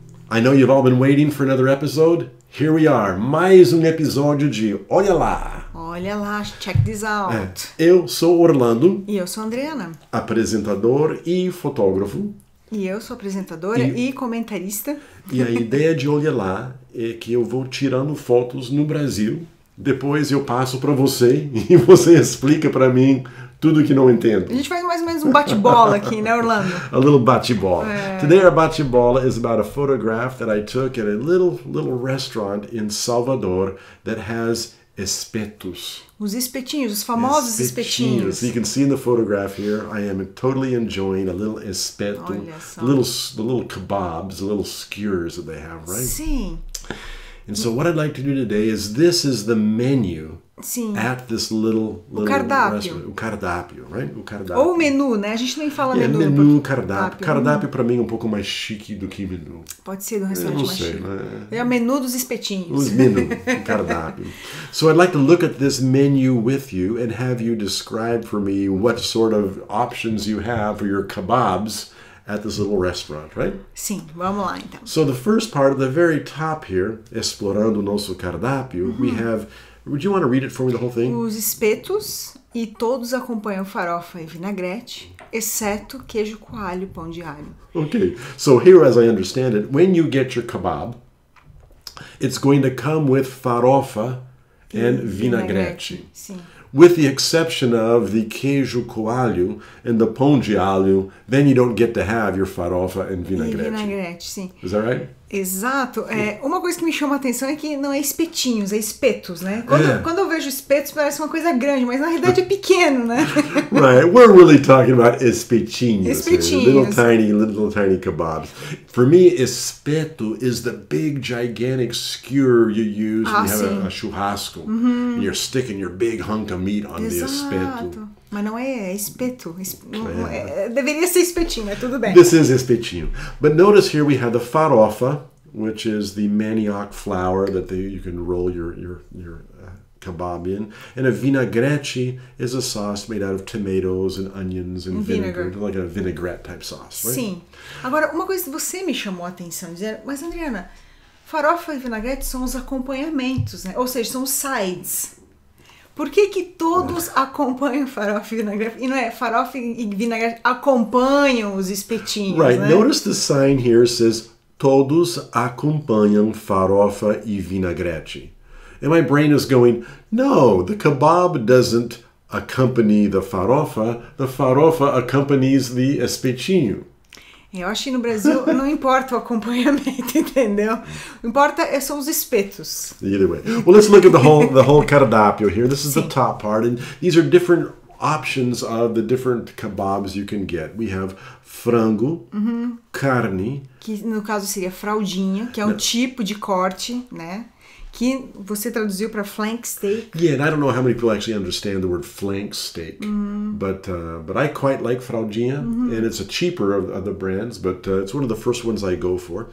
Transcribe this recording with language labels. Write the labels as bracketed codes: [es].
[en] I know you've all been waiting for another episode. Here we are, [pt] mais episódio de Olha Lá. Olha lá, [en] check this out. [pt] Eu sou Orlando. E eu sou Adriana. Apresentador e fotógrafo. E eu sou apresentadora e comentarista. E a ideia de Olha Lá é que eu vou tirando fotos no Brasil. Depois eu passo para você e você explica para mim tudo que não entendo. A gente faz mais ou menos bate-bola aqui, né, Orlando? [en] A little bate-bola. Today our bate-bola is about a photograph that I took at a little restaurant in Salvador that has espetos. [pt] Os espetinhos, os famosos espetinhos. [en] You can see in the photograph here, I am totally enjoying a little espeto. [pt] Olha só. [en] The little kebabs, the little skewers that they have, right? [pt] Sim. [en] And so what I'd like to do today is this is the menu. [pt] Sim. [en] At this little [pt] cardápio. O cardápio, right? Ou menu, né? A gente nem fala menu. É menu, porque... cardápio. Cardápio para mim é um pouco mais chique do que menu. Pode ser do restaurante mais chique. É o menu dos espetinhos. Os menu, cardápio. [en] So I'd like to look at this menu with you and have you describe for me what sort of options you have for your kebabs at this little restaurant, right? [pt] Sim, vamos lá então. [en] So the first part, the very top here, [pt] explorando o nosso cardápio, [en] we have... Would you want to read it for me, the whole thing? [pt] Os espetos e todos acompanham farofa e vinagrete, exceto queijo coalho, pão de alho. [en] Okay, so here as I understand it, when you get your kebab, it's going to come with farofa and vinagrete. [pt] Sim. [en] With the exception of the queijo coalho and the pão de alho, then you don't get to have your farofa and vinagrete. [pt] E vinagrete, sim. [en] Is that right? [pt] Exato. É, uma coisa que me chama a atenção é que não é espetinhos, é espetos, né? Quando eu vejo espetos, parece uma coisa grande, mas na realidade é pequeno, né? [en] Right. We're really talking about espetinhos. [pt] Espetinhos. [en] Little tiny kebabs. For me, espeto is the big, gigantic skewer you use when you have a churrasco. Uhum. And you're sticking your big hunk of meat on [pt] Exato. [en] The espeto. [pt] Mas não é, espeto. Deveria ser espetinho, mas tudo bem. [en] This is espetinho. But notice here we have the farofa, which is the manioc flour that you can roll your kebab in. And a vinagrete is a sauce made out of tomatoes and onions and vinegar. Like a vinaigrette type sauce, right? [pt] Sim. Agora, uma coisa que você me chamou a atenção, dizer, mas Adriana, farofa e vinagrete são os acompanhamentos, né? Ou seja, são os sides. Por que que todos acompanham farofa e vinagrete? E não é, farofa e vinagrete acompanham os espetinhos, [en] right, [pt] né? [en] Notice the sign here says, [pt] todos acompanham farofa e vinagrete. [en] And my brain is going, no, the kebab doesn't accompany the farofa accompanies the espetinho. [pt] Eu acho que no Brasil não importa o acompanhamento, entendeu? Importa são os espetos. [en] Either way. Well, let's look at the whole cardápio here. This is the top part. And these are different options of the different kebabs you can get. We have frango, carne. [pt] Que no caso seria fraldinha, que é um tipo de corte, né? Que você traduziu para flank steak. [en] Yeah, and I don't know how many people actually understand the word flank steak. Mm-hmm. But I quite like fraldinha, and it's a cheaper of the brands, but it's one of the first ones I go for.